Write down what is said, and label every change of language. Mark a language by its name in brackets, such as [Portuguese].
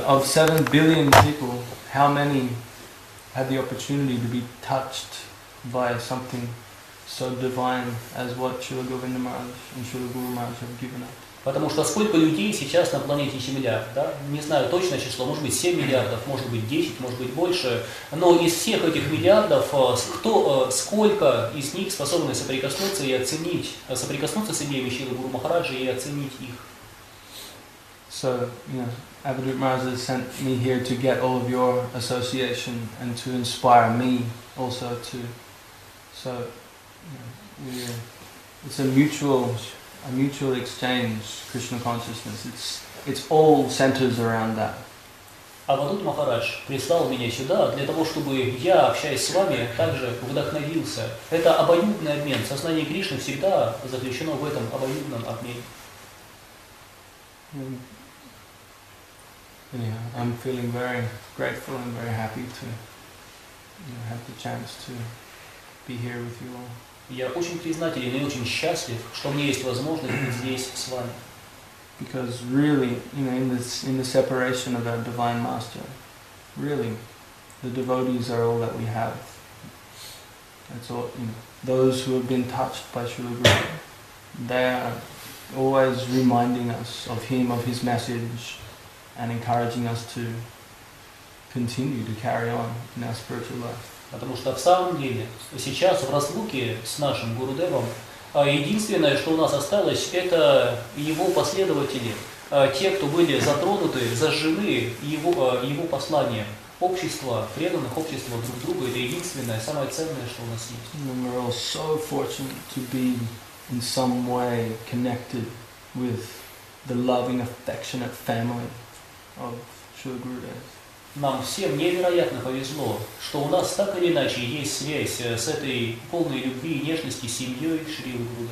[English] So of 7 billion people, how many had the opportunity to be touched by something so divine as what Srila Govinda Maharaj and Srila Guru Maharaj have given up? [Russian] Потому что сколько людей сейчас на планете Земля, да? Не знаю точное число, может быть 7 миллиардов, может быть 10, может быть больше. Но из всех этих миллиардов, сколько из них способны соприкоснуться с идеями Шрилы Гуру Махараджи и оценить их? [English] So, you know, Avadhut Maharaj has sent me here to get all of your association and to inspire me also to. So, you know, it's a mutual exchange, Krishna consciousness. It's all centers around that. [Russian] Авадут Махарадж прислал меня сюда для того, чтобы я, общаясь с вами, также вдохновился. Это обоюдный обмен. Сознание Кришны всегда заключено в этом обоюдном обмене. [English] Anyhow, I'm feeling very grateful and very happy to have the chance to be here with you all. [Russian] Я очень признателен и очень счастлив, что мне есть возможность быть здесь с вами. [English] Because really, you know, in the separation of our divine master, really, the devotees are all that we have. That's all, you know, those who have been touched by Srila Guru, they are always reminding us of him, of his message, and encouraging us to continue to carry on in our spiritual life. [Russian] Потому что в самом деле сейчас в разлуке с нашим Гурудевом единственное, что у нас осталось, это его последователи, те, кто были затронуты, зажжены его посланием. Общество, преданных общества друг другу, это единственное, самое ценное, что у нас есть. [English] And we're all so fortunate to be in some way connected with the loving, affectionate family of Srila Gurudev. [Russian] Нам всем невероятно повезло, что у нас так или иначе есть связь с этой полной любви и нежности семьей Шрилы